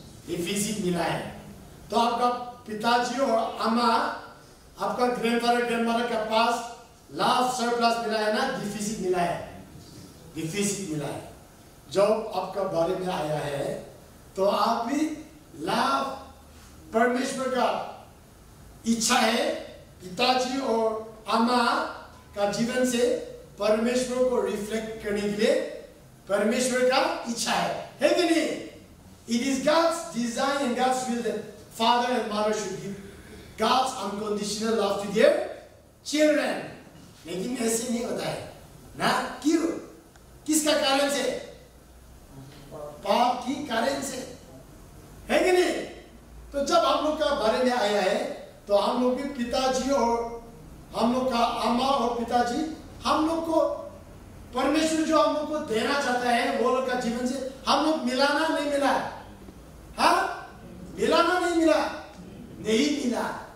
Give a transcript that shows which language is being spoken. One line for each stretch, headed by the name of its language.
Hindi: Deficit मिला है तो आपका पिताजी और अम्मा आपका ग्रैंड फादर ग्रैंड मदर के पास लाभ सरप्लस मिला है ना डिफिसिट मिला है जब आपका बारे में आया है तो आप भी लाभ परमेश्वर का इच्छा है पिताजी और अम्मा का जीवन से परमेश्वर को रिफ्लेक्ट करने के लिए परमेश्वर का इच्छा है कि नहीं?
English: It is God's design and God's will that father and mother should give God's unconditional love to their children.
Hindi: लेकिन ऐसे नहीं होता है ना क्यों किसका कारण से पाप की कारण से है कि नहीं तो जब हम लोग का बारे में आया है तो हम लोग के पिताजी और हम लोग का अम्मा और पिताजी हम लोग को परमेश्वर जो हम लोग को देना चाहता है वो लोग का जीवन से हम लोग मिलाना नहीं मिला हाँ मिलाना नहीं मिला नहीं मिला